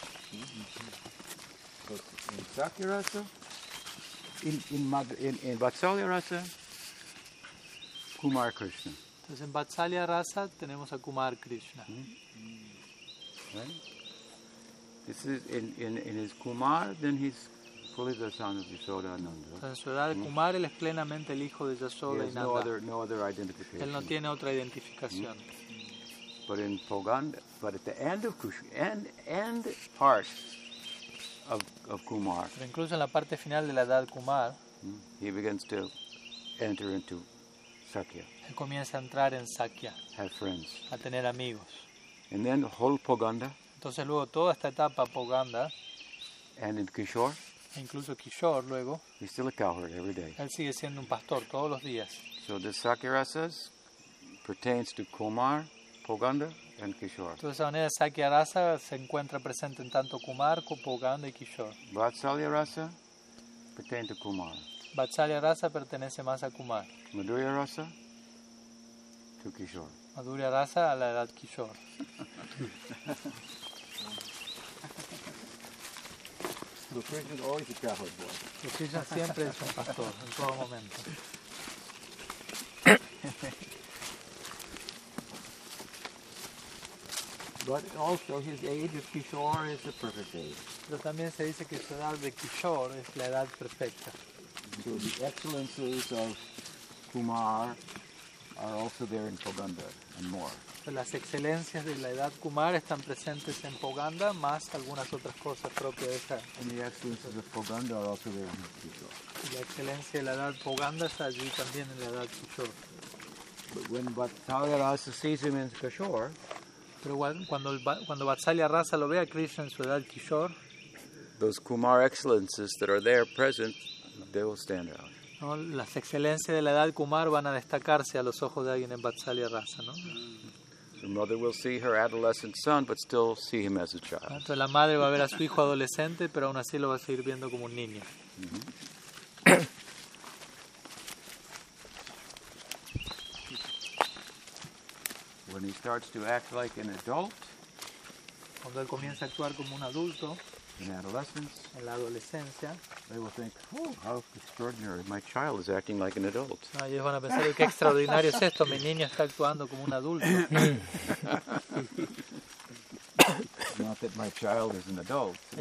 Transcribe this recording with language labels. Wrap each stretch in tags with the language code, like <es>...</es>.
<en>In Sakhya-rati, in Vatsalya-rati, Kumar Krishna.</en> <es>Entonces en Vatsalya-rati tenemos a Kumar Krishna.</es> <en>This is in his Kumar, then he's fully the son of Yashoda and Nanda.</en> <es>Entonces en su edad de Kumar él es plenamente el hijo de Yashoda y Nanda.</es> <en>No other identification.</en> <es>Él no tiene otra identificación.</es> <en>But in Poganda, but at the end of Krishna, end part. Of Kumar.</en> <es>Pero incluso en la parte final de la edad Kumar,</es> <en>he begins to enter into Sakhya.</en> <es>Él comienza a entrar en Sakhya.</es> <en>Have friends.</en> <es>A tener amigos.</es> <en>And then whole Poganda.</en> <es>Entonces luego toda esta etapa Poganda.</es> <en>And in Kishore.</en> <es>E incluso Kishore luego.</es> <en>He's still a cowherd every day.</en> <es>Él sigue siendo un pastor todos los días.</es> <en>So the Sakhya-rati pertains to Kumar, Poganda.</en> <es>De esa manera, Sakhya-rati se encuentra presente en tanto Kumar, Poganda y Kishore. Vatsalya-rati pertenece a Kumar. Vatsalya-rati pertenece más a Kumar.</es> <en>Madhurya-rati to Kishore.</en> <es>Madhurya-rati a la edad Kishore.</es> <en>So Krishna is always a cowherd boy.</en> <es>Krishna siempre es un pastor en todo momento.</es> <en>But also his age of Kishore is the perfect age.</en> <es>Pero también se dice que su edad de Kishore es la edad perfecta.</es> <en>So the excellences of Kumar are also there in Poganda and more.</en> <es>Pero las excelencias de la edad Kumar están presentes en Poganda más algunas otras cosas propias de esa.</es> <en>And the excellences of Poganda are also there in Kishore.</en> <es>Y la excelencia de la edad Poganda está allí también en la edad Kishore.</es> <en>But when Vatsalya-rati sees him in Kishore.</en> <es>Pero cuando Vatsalya-rati lo ve a Krishna en su edad Kishore,</es> <en>those Kumar excellences that are there present, they will stand out.</en> <es>¿No? Las excelencias de la edad Kumar van a destacarse a los ojos de alguien en Vatsalya-rati, ¿no?</es> <en>The mother will see her adolescent son, but still see him as a child.</en> <es>Entonces la madre va a ver a su hijo adolescente, pero aún así lo va a seguir viendo como un niño.</es> <en>When he starts to act like an adult,</en> <es>cuando él comienza a actuar como un adulto,</es> <en>in adolescence,</en> <es>en la adolescencia,</es> <en>they will think, "Oh, how extraordinary! My child is acting like an adult."</en> <es>No, ellos van a pensar qué extraordinario es esto. Mi niño está actuando como un adulto.</es> <en>Not that my child is an adult.</en>